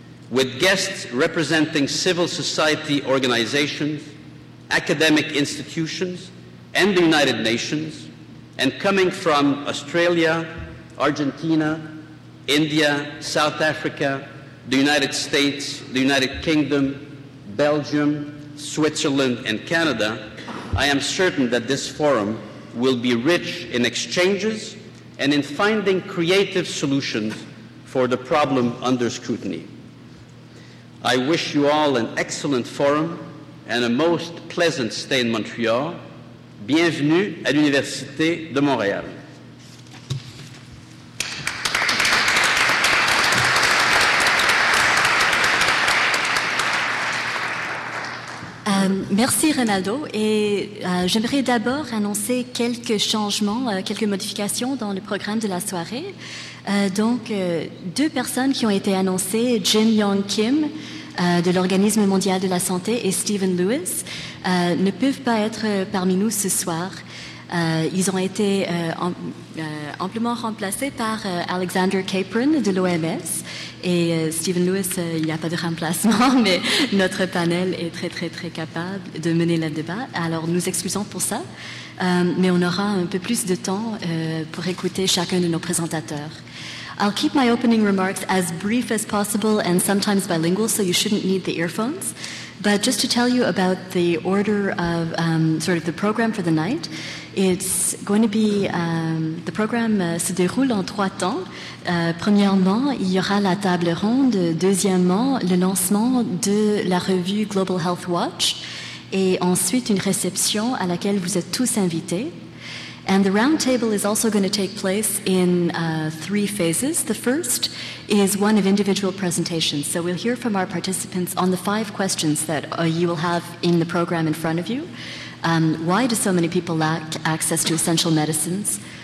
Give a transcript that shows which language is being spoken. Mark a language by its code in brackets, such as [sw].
[en] With guests representing civil society organizations, academic institutions, and the United Nations, and coming from Australia, Argentina, India, South Africa, the United States, the United Kingdom, Belgium, Switzerland, and Canada, I am certain that this forum will be rich in exchanges and in finding creative solutions for the problem under scrutiny. I wish you all an excellent forum and a most pleasant stay in Montreal. [fr] Bienvenue à l'Université de Montréal. Merci, Renaldo. Et j'aimerais d'abord annoncer quelques changements, quelques modifications dans le programme de la soirée. Deux personnes qui ont été annoncées, Jim Yong Kim de l'Organisme mondial de la santé et Stephen Lewis, ne peuvent pas être parmi nous ce soir. Ils ont été amplement remplacés par Alexander Capron de l'OMS. Et Stephen Lewis, il n'y a pas de remplacement, mais notre panel est très, très, très capable de mener le débat. Alors, nous excusons pour ça, mais on aura un peu plus de temps pour écouter chacun de nos présentateurs. [en] I'll keep my opening remarks as brief as possible and sometimes bilingual, so you shouldn't need the earphones. But just to tell you about the order of sort of the program for the night, it's going to be, the program [fr] se déroule en trois temps. Premièrement, il y aura la table ronde. Deuxièmement, le lancement de la revue Global Health Watch. Et ensuite, une réception à laquelle vous êtes tous invités. [en] And the roundtable is also going to take place in three phases. The first is one of individual presentations. So we'll hear from our participants on the five questions that you will have in the program in front of you. Why do so many people lack access to essential medicines?